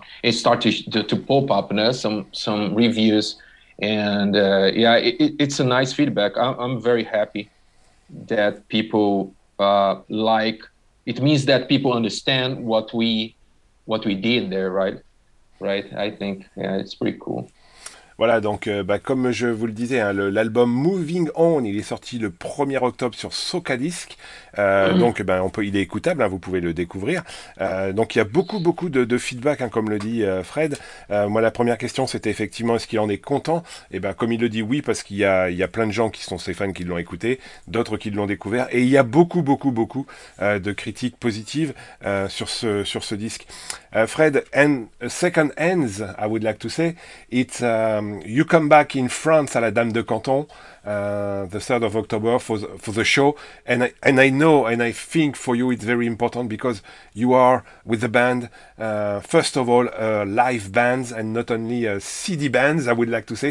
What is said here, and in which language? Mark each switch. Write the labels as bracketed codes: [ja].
[en] It started to pop up now, some reviews. And it's a nice feedback. I'm very happy that people like it. Means that people understand what we did there, right? I think it's pretty cool. [fr] Voilà, donc comme je vous le disais, hein, l'album Moving On, il est sorti le 1er octobre sur Socadisc. Donc il est écoutable, hein, vous pouvez le découvrir. Donc il y a beaucoup de feedback, hein, comme le dit Fred. Moi, la première question, c'était effectivement, est-ce qu'il en est content? Et ben comme il le dit, oui, parce qu'il y a plein de gens qui sont ses fans qui l'ont écouté, d'autres qui l'ont découvert, et il y a beaucoup de critiques positives sur ce disque. [en] Fred, and second ends, I would like to say, it's you come back in France at La Dame de Canton, the 3rd of October for the show, and I know and I think for you it's very important because you are with the band, first of all, live bands and not only CD bands, I would like to say.